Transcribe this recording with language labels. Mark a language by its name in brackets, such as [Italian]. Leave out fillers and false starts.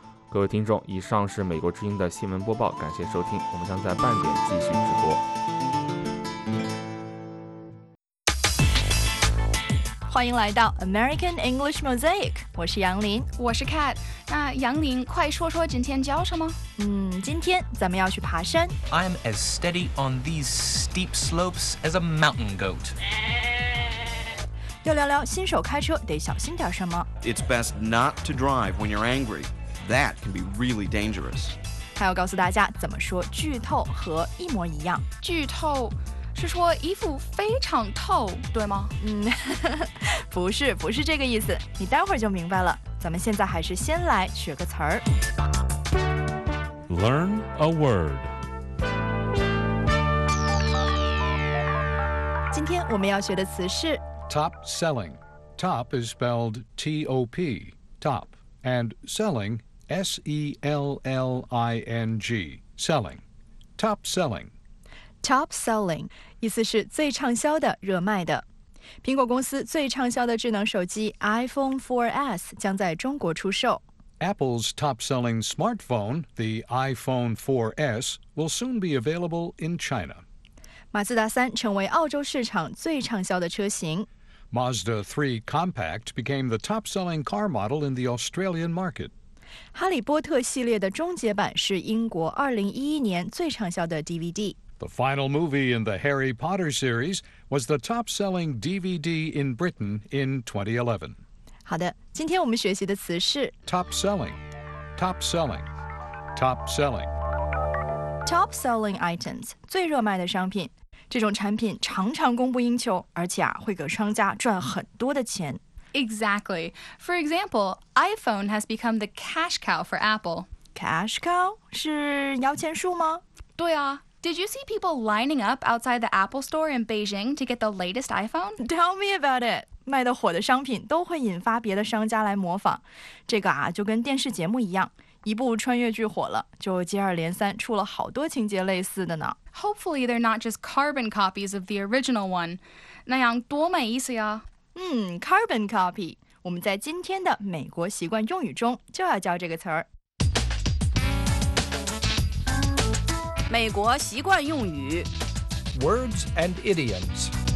[Chinese] 各位听众，以上是美国之音的新闻播报，感谢收听，我们将在半点继续直播。欢迎来到 American English Mosaic， 我是杨林，我是 Kat。那杨林，快说说今天教什么。今天咱们要去爬山。 [English] I'm as steady on these steep slopes as a mountain goat。 [Chinese] 要聊聊新手开车得小心点什么。 [English] It's best not to drive when you're angry. That can be really dangerous. [Chinese] 还要告诉大家怎么说剧透和一模一样。剧透是说衣服非常透，对吗？不是，不是这个意思，你待会儿就明白了。咱们现在还是先来学个词儿。 [English] Learn a word。 [Chinese] 今天我们要学的词是 [English] Top selling. Top is spelled T-O-P, top, and selling, S-E-L-L-I-N-G, selling. Top selling. [Chinese] Top selling, 意思是最畅销的，热卖的。苹果公司最畅销的智能手机 iPhone 4S 将在中国出售。 [English] Apple's top selling smartphone, the iPhone 4S, will soon be available in China. [Chinese] 马自达3成为澳洲市场最畅销的车型。 [English] Mazda 3 Compact became the top-selling car model in the Australian market. [Chinese] 哈利波特系列的终结版是英国2011年最畅销的 DVD. [English] The final movie in the Harry Potter series was the top-selling DVD in Britain in 2011. [Chinese] 好的，今天我们学习的词是 [English] top-selling, top-selling, top-selling. Top-selling items, [Chinese] 最热卖的商品。这种产品常常供不应求，而且会给商家赚很多的钱。 [English] Exactly. For example, iPhone has become the cash cow for Apple. [Chinese] Cash cow? 是摇钱树吗？对啊。 [English] Did you see people lining up outside the Apple store in Beijing to get the latest iPhone? Tell me about it. [Chinese] 卖得火的商品都会引发别的商家来模仿。这个就跟电视节目一样。一部穿越剧火了，就接二连三出了好多情节类似的呢。 [English] Hopefully they're not just carbon copies of the original one. [Chinese] 那样多没意思呀。 [English] Carbon copy. [Chinese] 我们在今天的美国习惯用语中就要教这个词儿。美国习惯用语。 [English] Words and idioms.